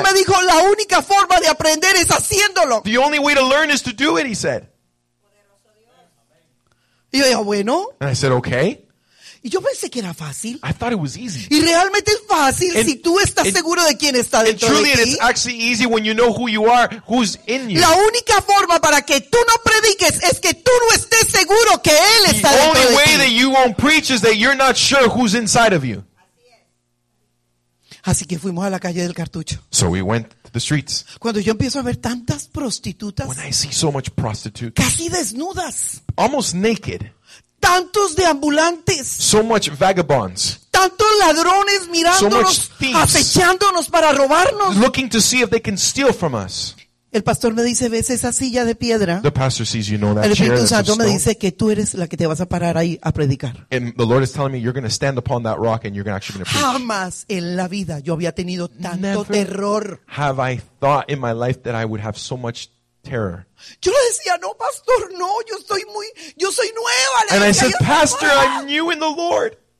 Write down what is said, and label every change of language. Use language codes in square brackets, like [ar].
[es] Y él me dijo, la única forma de aprender es haciéndolo. [en] The only way to learn is to do it, he said. [es] Y yo dije, bueno. [en] And I said, okay. [es] Y yo pensé que era fácil. [en] I thought it was easy. [es] Y realmente es fácil [en] and, [es] si tú estás seguro de quién está dentro [en] truly, [es] de ti. [en] And truly, it's actually easy when you know who you are, who's in you. [es] La única forma para que tú no prediques es que tú no estés seguro que él [en] the [es] está dentro de ti. [en] The only way that you won't preach is that you're not sure who's inside of you. [es] Así que fuimos a la calle del Cartucho. [en] So we went to the streets. [es] Cuando yo empiezo a ver tantas prostitutas. [en] When I see so much prostitutes. [es] Casi desnudas. [en] Almost naked. [es] Tantos deambulantes, [en] so much vagabonds, [es] tantos ladrones mirándonos, acechándonos para robarnos, [en] looking to see if they can steal from us. [es] El pastor me dice, ¿ves esa silla de piedra? [en] The pastor sees, you know, that [es] el Espíritu [en] chair [es] Santo me dice que tú eres la que te vas a parar ahí a predicar. [en] And the Lord is telling me you're going to stand upon that rock and you're actually going to preach. [es] Jamás en la vida yo había tenido tanto terror. [en] Have I thought in my life that I would have so much terror. [es] Yo le decía, no, pastor, no, yo soy nueva. [en] And I said, pastor, I'm new in the Lord.